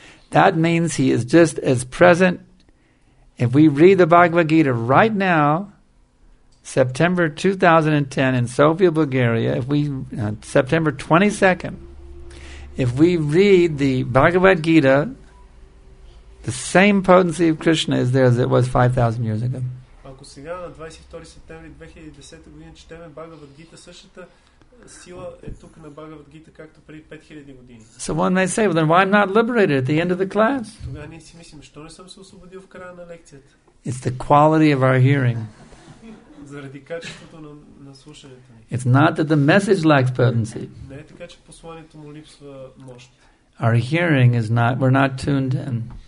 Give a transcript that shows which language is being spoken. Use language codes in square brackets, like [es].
[en] That means he is just as present. If we read the Bhagavad Gita right now, September 2010 in Sofia, Bulgaria, September 22nd, if we read the Bhagavad Gita, the same potency of Krishna is there as it was 5,000 years ago. [bg] Ако сега на 22 септември 2010 година четем Бхагавад Гита, същата сила е тук на Бхагавад Гита както преди 5000 години. [en] So one may say, well, then why I'm not liberated at the end of the class? [bg] Тогава ние си мислим, защо не съм се освободил в края на лекцията? [en] It's the quality of our hearing. [bg] Заради качеството на слушането ни. [en] It's not that the message lacks potency. [bg] Не е така, че посланието му липсва мощ. [en] Our hearing is not, we're not tuned in.